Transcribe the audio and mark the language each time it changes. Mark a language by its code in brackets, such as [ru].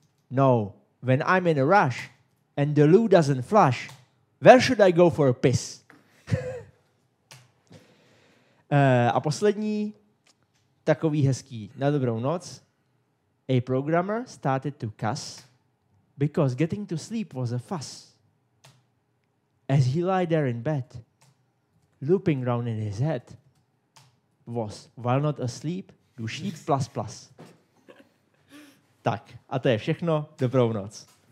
[en] No, when I'm in a rush and the loo doesn't flush, where should I go for a piss? [cs] A poslední, takový hezký, na dobrou noc. [en] A programmer started to cuss because getting to sleep was a fuss. As he lay there in bed, looping round in his head, was, while not asleep, do sheep plus plus. [cs] Tak, a to je všechno, dobrou noc.